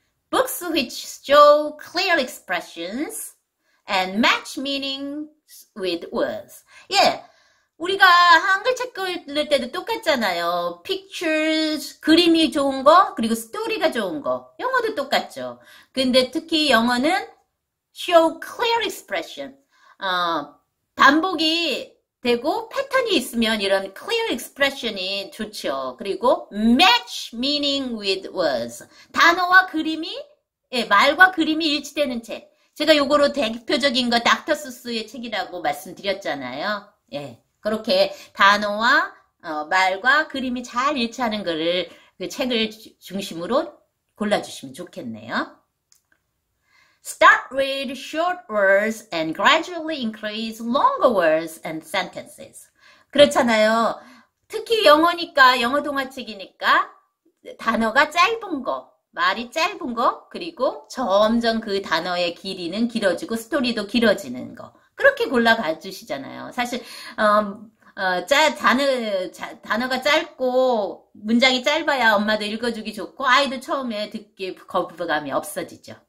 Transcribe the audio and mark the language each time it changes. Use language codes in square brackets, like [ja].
[en] Books which show clear expressions and match meanings with words. [ko] 예. 우리가 한글책 읽을 때도 똑같잖아요. Pictures, 그림이 좋은 거, 그리고 스토리가 좋은 거. 영어도 똑같죠. 근데 특히 영어는 [en] show clear expression. [ko] 반복이 되고 패턴이 있으면 이런 [en] clear expression [ko] 이 좋죠. 그리고 [en] match meaning with words. [ko] 단어와 그림이, 예, 말과 그림이 일치되는 책. 제가 요거로 대표적인 거 닥터 수스의 책이라고 말씀드렸잖아요. 예. 그렇게 단어와 말과 그림이 잘 일치하는 글을 그 책을 중심으로 골라주시면 좋겠네요. [en] Start with short words and gradually increase longer words and sentences. [ko] 그렇잖아요. 특히 영어니까, 영어 동화책이니까 단어가 짧은 거, 말이 짧은 거, 그리고 점점 그 단어의 길이는 길어지고 스토리도 길어지는 거. 그렇게 골라가 주시잖아요. 사실, 단어가 짧고 문장이 짧아야 엄마도 읽어주기 좋고 아이도 처음에 듣기 거부감이 없어지죠.